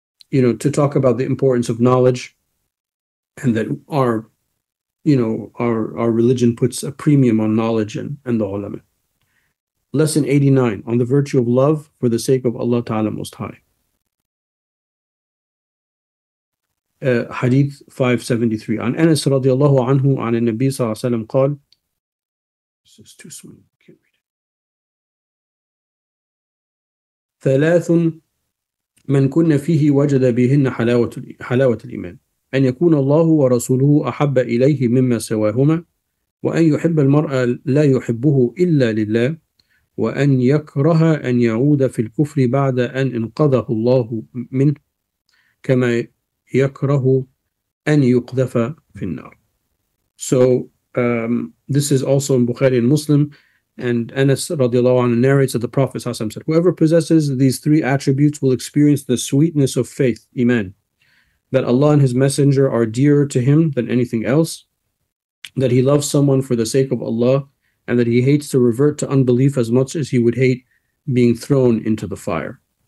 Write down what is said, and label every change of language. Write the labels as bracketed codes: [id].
[en] You know, to talk about the importance of knowledge, and that our, you know, our religion puts a premium on knowledge and the ulama. Lesson 89, on the virtue of love for the sake of Allah Ta'ala Most High. Hadith 573. [ar] عن أنس رضي الله عنه عن النبي صلى الله عليه وسلم قال. [en] This is too small. [ar] ثلاث من كن فيه وجد بهن حلاوة الإيمان: أن يكون الله ورسوله أحب إليه مما سواهما، وأن يحب المرء لا يحبه إلا لله، وأن يكره أن يعود في الكفر بعد أن انقذه الله منه، كما يكره أن يقذف في النار. [en] So this is also in Bukhari and Muslim, and Anas radiallahu anhu narrates that the Prophet ﷺ said, whoever possesses these three attributes will experience the sweetness of faith, iman, that Allah and His Messenger are dearer to him than anything else, that he loves someone for the sake of Allah, and that he hates to revert to unbelief as much as he would hate being thrown into the fire.